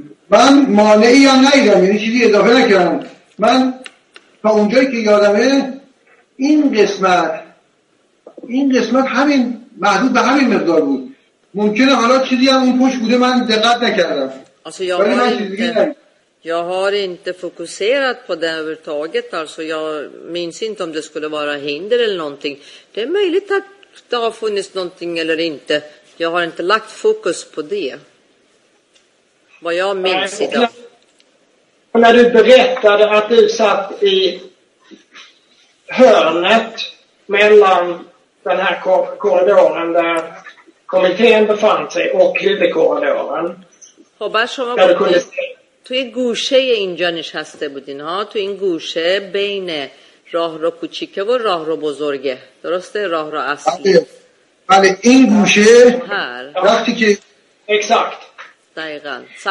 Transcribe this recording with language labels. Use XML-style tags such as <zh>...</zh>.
<fa>من مانعی یا نیدم یعنی چیزی اضافه نکردم من تا اونجایی که یادمه این قسمت همین محدود به همین مقدار بود ممکنه حالا چیزی هم اون پشت بوده من دقت نکردم ولی من چیزی نیدم</fa> <sv>Jag har inte fokuserat på det överhuvudtaget. Alltså jag minns inte om det skulle vara hinder eller någonting. Det är möjligt att det har funnits någonting eller inte. Jag har inte lagt fokus på det. Vad jag minns idag. När du berättade att du satt i hörnet mellan den här korridoren där kommittén befann sig och huvudkorridoren. Hoppas som var på det.</sv> <fa>تو این گوشه اینجا نشسته بودین ها تو این گوشه بین راه رو کوچیکه و راه رو بزرگه درسته راه رو اصلی بله این گوشه وقتی که</fa> <sv>اکسکت</sv> <fa>دقیقا</fa>